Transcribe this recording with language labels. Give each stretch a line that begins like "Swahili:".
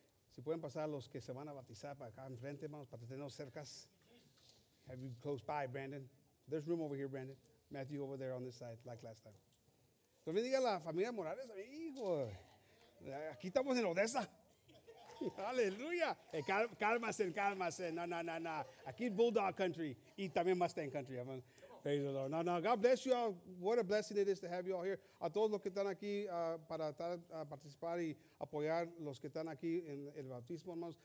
Spanish: Si pueden pasar los que se van a bautizar para acá enfrente, hermanos, para tenerlos cercas.
English: Have you close by, Brandon? There's room over here, Brandon. Matthew over there on this side, like last time.
Spanish: Dios bendiga la familia Morales, amigo. Aquí estamos en Odessa. Hallelujah. Hey, cálmase. No. Aquí Bulldog Country. Y también
English: Mustang Country. Praise the Lord. No. God bless you all. What a blessing it is to have you all here.
Spanish: A todos los que están aquí para participar y apoyar los que están aquí en el bautismo, hermanos.